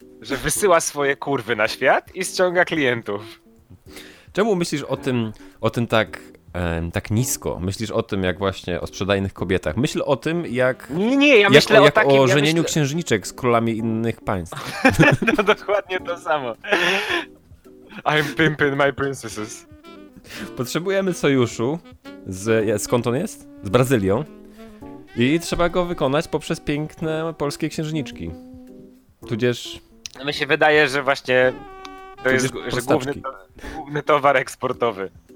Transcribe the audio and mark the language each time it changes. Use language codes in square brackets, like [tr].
[pl] Że wysyła swoje kurwy na świat i ściąga klientów. Czemu myślisz o tym tak... tak nisko. Myślisz o tym, jak właśnie o sprzedajnych kobietach. Myśl o tym, jak... Nie, ja myślę jak o takim... Jak o żenieniu księżniczek z królami innych państw. No dokładnie to samo. [en] I'm pimping my princesses. [pl] Potrzebujemy sojuszu z... Skąd on jest? Z Brazylią. I trzeba go wykonać poprzez piękne polskie księżniczki. Tudzież... No mi się wydaje, że właśnie to jest że główny towar eksportowy.